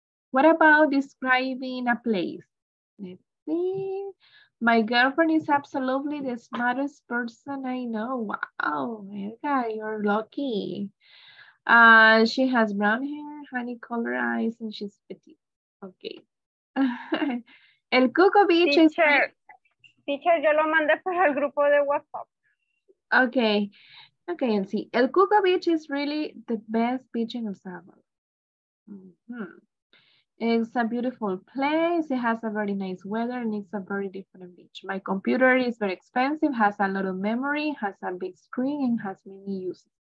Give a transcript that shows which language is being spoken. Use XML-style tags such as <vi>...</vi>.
<en>What about describing a place? Let's see. My girlfriend is absolutely the smartest person I know. Wow, okay, you're lucky. She has brown hair, honey color eyes, and she's pretty. Okay. El Cuco Beach teacher, is...</en> <es>Teacher, yo lo mandé por el grupo de WhatsApp.</es> <en>Okay. Okay, and see. El Cuco Beach is really the best beach in El Salvador. It's a beautiful place. It has a very nice weather and it's a very different beach. My computer is very expensive, has a lot of memory, has a big screen, and has many uses.</en>